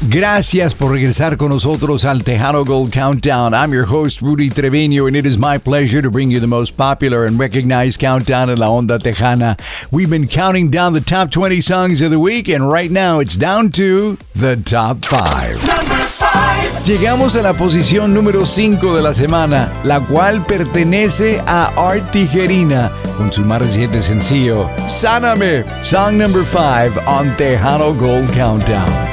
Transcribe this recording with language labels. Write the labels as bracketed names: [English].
[Spanish] Gracias por regresar con nosotros al Tejano Gold Countdown. [English] I'm your host, Rudy Treviño, and it is my pleasure to bring you the most popular and recognized countdown in La Onda Tejana. We've been counting down the top 20 songs of the week, and right now it's down to the top five. [Spanish] Llegamos a la posición número 5 de la semana, la cual pertenece a Art Tijerina, con su más reciente sencillo, Sáname, [English] song number 5 on Tejano Gold Countdown.